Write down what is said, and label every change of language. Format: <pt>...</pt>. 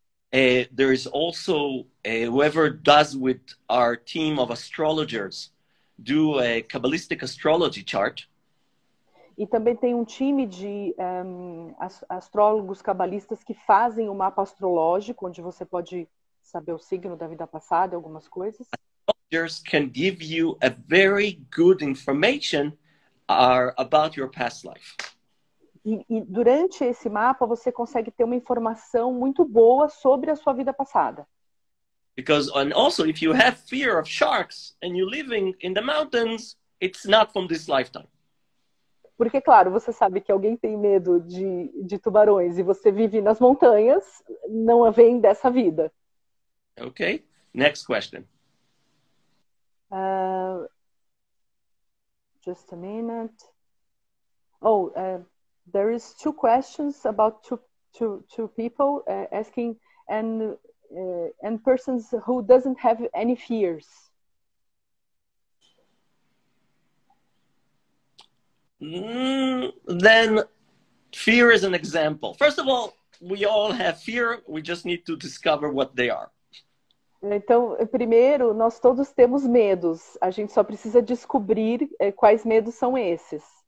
<en>There is also, whoever does with our team of astrologers, do a Kabbalistic astrology chart.</en> <pt>E também tem um time de astrólogos cabalistas que fazem o mapa astrológico, onde você pode saber o signo da vida passada e algumas coisas.</pt> <en>Astrologers can give you a very good information about your past life.</en> <pt>E durante esse mapa, você consegue ter uma informação muito boa sobre a sua vida passada.</pt> <en>Because, and also, if you have fear of sharks and you're living in the mountains, it's not from this lifetime.</en> <pt>Porque, claro, você sabe que alguém tem medo de tubarões e você vive nas montanhas, não vem dessa vida.</pt> <en>Ok, next question. Just a minute. Oh, there is two questions about two people asking and persons who doesn't have any fears. Then fear is an example. First of all, we all have fear. We just need to discover what they are.</en> <pt>Então, primeiro, nós todos temos medos. A gente só precisa descobrir quais medos são esses.</pt>